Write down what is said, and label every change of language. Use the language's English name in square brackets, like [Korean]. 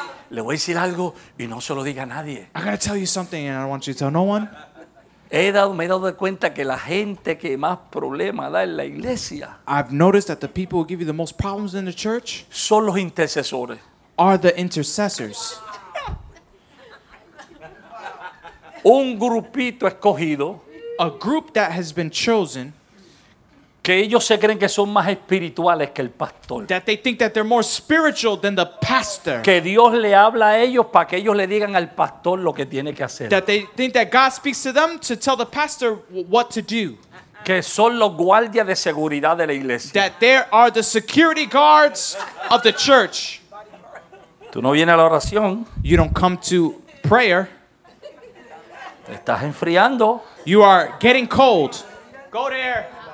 [Spanish] Le voy a decir algo y no se lo diga a nadie. [English] I gotta tell you something and I don't want you to tell no one. [Spanish] Me he dado cuenta que la gente que más problemas da en la iglesia. [English] I've noticed that the people who give you the most problems in the church [Spanish] son los intercesores. [English] Are the intercessors. [Spanish] Un grupito escogido. [English] A group that has been chosen. [Spanish] Que ellos se creen que son más espirituales que el pastor. [English] That they think that they're more spiritual than the pastor. [Spanish] Que Dios le habla a ellos para que ellos le digan al pastor lo que tiene que hacer. [English] That they think that God speaks to them to tell the pastor what to do. [Spanish] Que son los guardias de seguridad de la iglesia. [English] That they are the security guards of the church. [Spanish] Tú no vienes a la oración. [English] You don't come to prayer. [Spanish] Te estás enfriando. [English] You are getting cold. Go there.